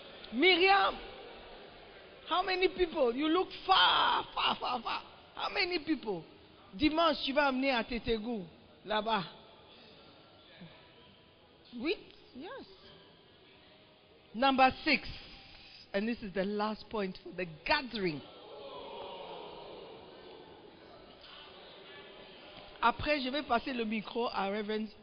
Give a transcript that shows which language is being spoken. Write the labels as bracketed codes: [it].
[en] Miriam, how many people? You look far, far, far, far. How many people? [fr] Dimanche, tu vas amener à Tétégou, là-bas. Oui, yes. [en] Number 6, and this is the last point for the gathering. [fr] Après, je vais passer le micro à Reverend